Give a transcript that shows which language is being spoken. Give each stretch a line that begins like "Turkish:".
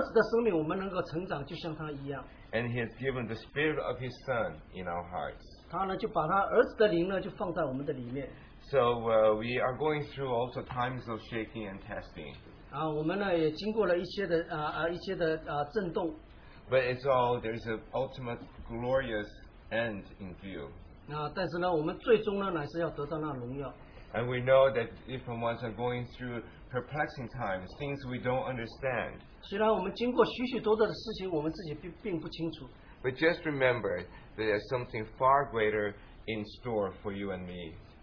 Chinese: 我们呢就能够因着这个神儿子的生命，我们能够成长，就像他一样。
English: And He has given the Spirit of His Son in our hearts.
Chinese: 他呢就把他儿子的灵呢就放在我们的里面。
English: So we are going through also times of shaking and testing.
Chinese: 我们呢也经过了一些的震动。
English: But it's all there's an ultimate glorious end in view.
Chinese: 但是呢，我们最终呢乃是要得到那荣耀。
English: And we know that if ones are going through perplexing times, things we don't understand.
Chinese: 虽然我们经过许许多多的事情，我们自己并不清楚。
English: But just remember that there's something far greater in store for you and me.